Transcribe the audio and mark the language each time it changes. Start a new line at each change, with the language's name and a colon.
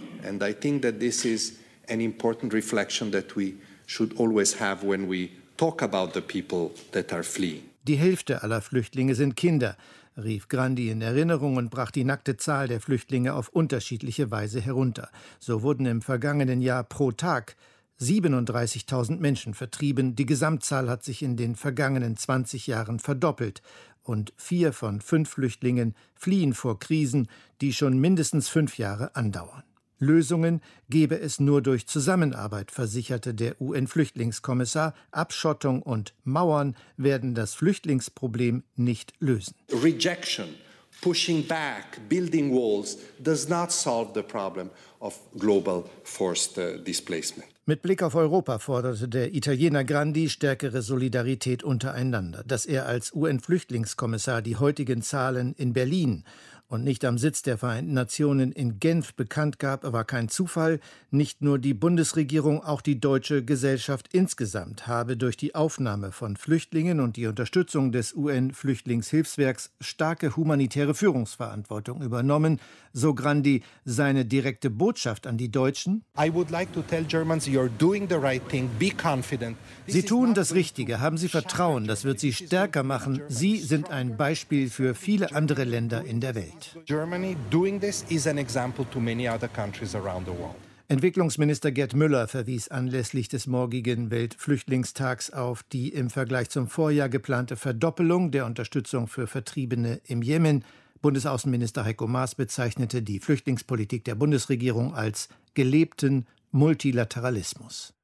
English: And I think that this is an important reflection that we should always have when we talk about the people that are fleeing.
German: Die Hälfte aller Flüchtlinge sind Kinder, rief Grandi in Erinnerung und brach die nackte Zahl der Flüchtlinge auf unterschiedliche Weise herunter. So wurden im vergangenen Jahr pro Tag 37.000 Menschen vertrieben. Die Gesamtzahl hat sich in den vergangenen 20 Jahren verdoppelt. Und 4 von 5 Flüchtlingen fliehen vor Krisen, die schon mindestens 5 Jahre andauern. Lösungen gebe es nur durch Zusammenarbeit, versicherte der UN-Flüchtlingskommissar. Abschottung und Mauern werden das Flüchtlingsproblem nicht lösen.
English: Rejection, pushing back, building walls does not solve the problem of global forced displacement.
German: Mit Blick auf Europa forderte der Italiener Grandi stärkere Solidarität untereinander. Dass er als UN-Flüchtlingskommissar die heutigen Zahlen in Berlin und nicht am Sitz der Vereinten Nationen in Genf bekannt gab, war kein Zufall. Nicht nur die Bundesregierung, auch die deutsche Gesellschaft insgesamt habe durch die Aufnahme von Flüchtlingen und die Unterstützung des UN-Flüchtlingshilfswerks starke humanitäre Führungsverantwortung übernommen. So Grandi seine direkte Botschaft an die Deutschen:
English: I would like to tell Germans, you're doing the right thing, be confident.
German: Sie tun das Richtige, haben Sie Vertrauen, das wird Sie stärker machen. Sie sind ein Beispiel für viele andere Länder in der Welt.
English: Germany doing this is an example to many other countries around the world.
German: Entwicklungsminister Gerd Müller verwies anlässlich des morgigen Weltflüchtlingstags auf die im Vergleich zum Vorjahr geplante Verdoppelung der Unterstützung für Vertriebene im Jemen. Bundesaußenminister Heiko Maas bezeichnete die Flüchtlingspolitik der Bundesregierung als gelebten Multilateralismus.